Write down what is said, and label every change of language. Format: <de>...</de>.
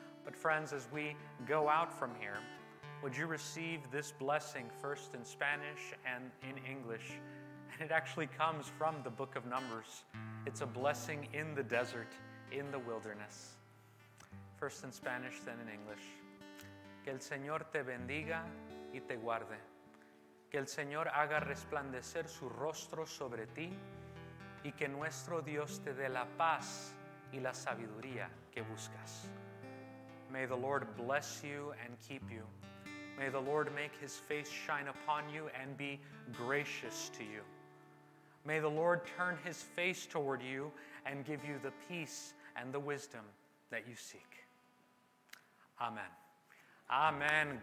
<en>But friends, as we go out from here, would you receive this blessing first in Spanish and in English? And it actually comes from the book of Numbers. It's a blessing in the desert, in the wilderness. First in Spanish, then in English.</en> <es>Que el Señor te bendiga y te guarde. Que el Señor haga resplandecer su rostro sobre ti y que nuestro Dios te dé la paz y la sabiduría que buscas.</es> <en>May the Lord bless you and keep you. May the Lord make his face shine upon you and be gracious to you. May the Lord turn his face toward you and give you the peace and the wisdom that you seek. Amen. Amen.</en>